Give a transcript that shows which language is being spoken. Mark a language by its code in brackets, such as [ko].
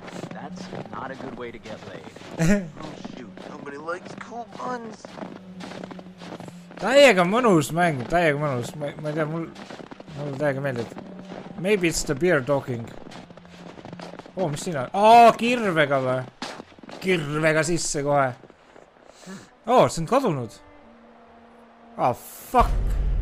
[en] That's not a good way to get laid. Oh shoot, nobody likes cool buns. [et] Täiega mõnus mäng, täiega mõnus. Ma ei tea, mul täiega meeldid. [en] Maybe it's the beer talking. [et] Oh, mis siin on? Oh, kirvega või? Kirvega sisse kohe. Oh, see on kadunud. [en] Oh, fuck.